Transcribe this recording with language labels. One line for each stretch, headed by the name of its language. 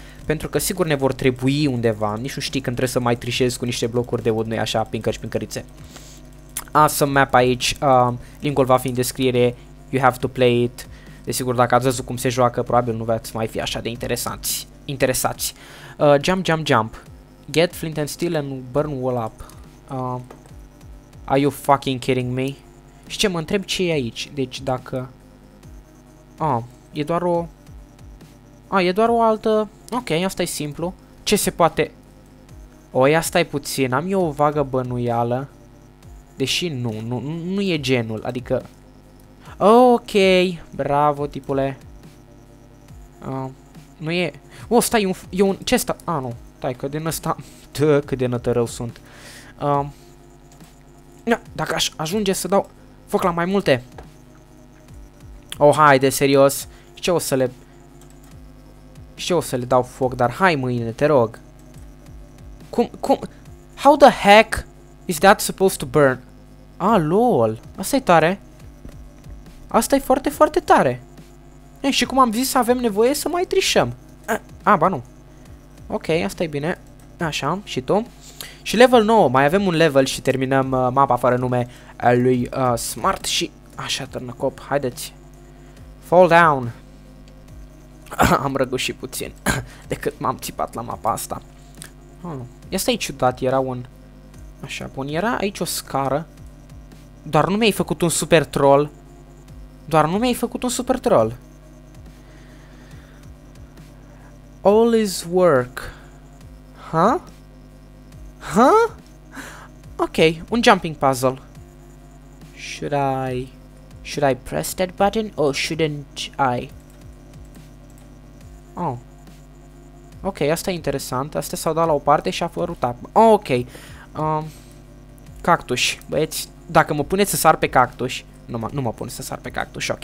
Romanian: Pentru că sigur ne vor trebui undeva. Nici nu știi când trebuie să mai trișez cu niște blocuri de wood, nu-i așa, pincări și pincărițe.
English: Awesome map aici.
Romanian: Link-ul va fi în descriere.
English: You have to play it.
Romanian: Desigur, dacă ați văzut cum se joacă, probabil nu veți mai fi așa de interesați.
English: Jump. Get flint and steel and burn wall up. Are you fucking kidding me?
Romanian: Și ce, mă întreb ce e aici? Deci dacă... E doar o altă... Ok, asta e simplu. Ce se poate... asta e puțin. Am eu o vagă bănuială. Deși nu e genul. Adică... Ok, bravo, tipule. Nu e. O, stai, e un ce sta? Ah, nu. Stai, că din ăsta. Dă, cât de nătărău sunt. Dacă aș ajunge să dau foc la mai multe. Oh, haide, serios. Ce o să le dau foc, dar hai mâine, te rog. Cum?
English: How the heck is that supposed to burn?
Romanian: Ah, lol. Asta e tare. Asta e foarte, foarte tare. E, și cum am zis, avem nevoie să mai trișăm. Nu. Ok, asta e bine. Așa, și tu. Și level 9, mai avem un level și terminăm mapa fără nume a lui Smart și... Așa, târnăcop, haideți.
English: Fall down.
Romanian: Am răgușit puțin de cât m-am țipat la mapa asta. Asta e ciudat, era un... Așa, bun, era aici o scară. Doar nu mi-ai făcut un super troll. Doar nu mi-ai făcut un super troll.
English: All is work. Huh? Huh?
Romanian: Ok, un jumping puzzle.
English: Should I press that button or shouldn't I?
Romanian: Oh. Ok, asta e interesant. Asta s-au dat la o parte și a fărut up. Ok. Cactus. Băieți, dacă mă puneți să sar pe cactus, nu mă pun să sar pe cactus, ok.